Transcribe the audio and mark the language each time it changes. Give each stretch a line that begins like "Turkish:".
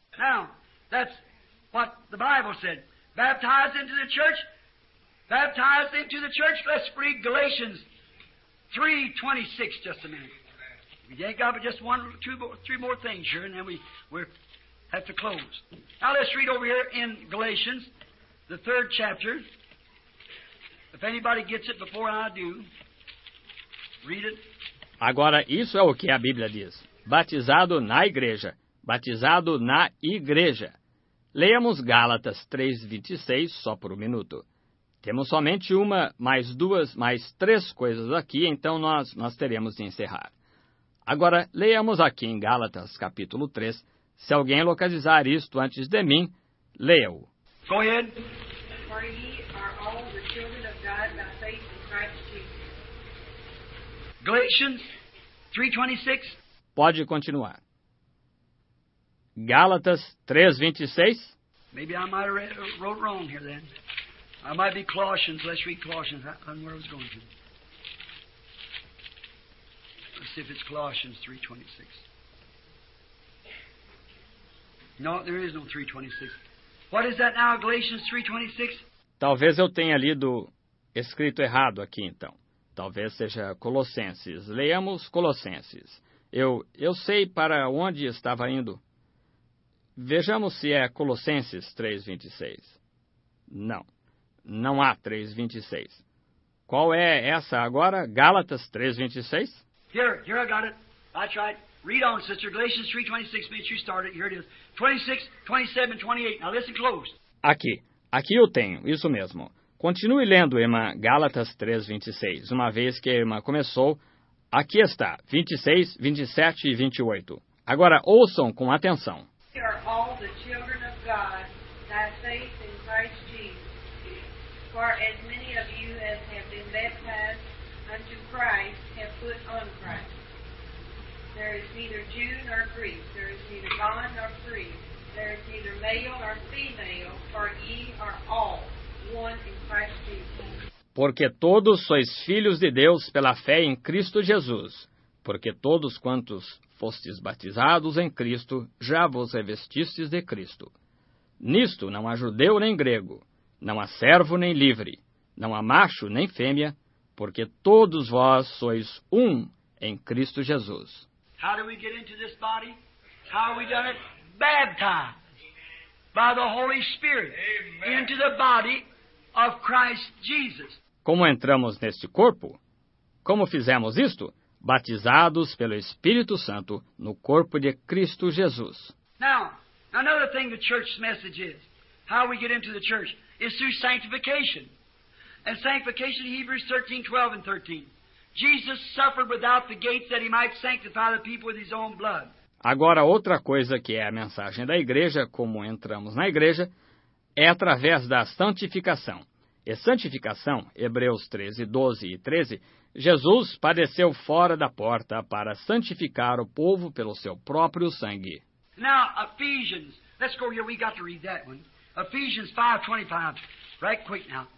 English: Now, that's what the Bible said. Baptized into the church. Baptized into the church. Let's read Galatians 3:26 just a minute. We ain't got but just one, two, three more things here, and then we have to close. Now let's read over here in Galatians, the third chapter. If anybody gets it before I do, read it.
Portuguese: Agora, isso é o que a Bíblia diz. Batizado na igreja. Batizado na igreja. Leamos Gálatas 3:26 só por um minuto. Temos somente uma, mais duas, mais três coisas aqui, então nós teremos de encerrar. Agora, leamos aqui em Gálatas, capítulo 3. Se alguém localizar isto antes de mim, leia-o.
English: Go ahead. For ye are all the children of God by faith in Christ Jesus. Galatians 3:26.
Portuguese: Pode continuar. Gálatas 3:26.
English: Maybe I might have wrote wrong here then. I might be Colossians. Let's read Colossians. I don't know where I was going to. Let's see if it's Colossians 3:26. No, there is no 3:26. What is that now, Galatians 3:26?
Portuguese: Talvez eu tenha lido escrito errado aqui, então. Talvez seja Colossenses. Leamos Colossenses. Eu sei para onde estava indo. Vejamos se é Colossenses 3:26. Não. Não há 3:26. Qual é essa agora? Gálatas 3:26?
English: Here, I got it. I tried. Read on, sister. Galatians 3:26, minute you start it. Here it is. 26, 27, 28. Now listen close.
Portuguese: Aqui eu tenho. Isso mesmo. Continue lendo, irmã. Gálatas 3:26. Uma vez que a irmã começou, aqui está. 26, 27 e 28. Agora ouçam com atenção.
English: We are all the children of God by faith in Christ Jesus. For as many of you as have been baptized unto Christ have put on Christ. There is neither Jew nor Greek, there is neither bond nor free, there is neither male nor female, for ye are all one in Christ Jesus.
Portuguese: Porque todos sois filhos de Deus pela fé em Cristo Jesus. porque todos quantos fostes batizados em Cristo, já vos revestistes de Cristo. Nisto não há judeu nem grego, não há servo nem livre, não há macho nem fêmea, porque todos vós sois um em Cristo Jesus.
English: How do we get into this body? How have we done it? Baptized by the Holy Spirit. Amen. Into the body of Christ Jesus.
Portuguese: Como entramos neste corpo? Como fizemos isto? Batizados pelo Espírito Santo no corpo de Cristo Jesus.
English: Now, another thing the church's message is, how we get into the church, is through sanctification. And sanctification, Hebrews 13, 12 and 13. Jesus suffered without the gates that he might sanctify the people with his own blood.
Portuguese: Agora, outra coisa que é a mensagem da igreja, como entramos na igreja, é através da santificação. E santificação, Hebreus 13, 12 e 13, Jesus padeceu fora da porta para santificar o povo pelo seu próprio sangue.
English: Now, Ephesians, let's go here, we got to read that one. Ephesians 5, 25, right quick now.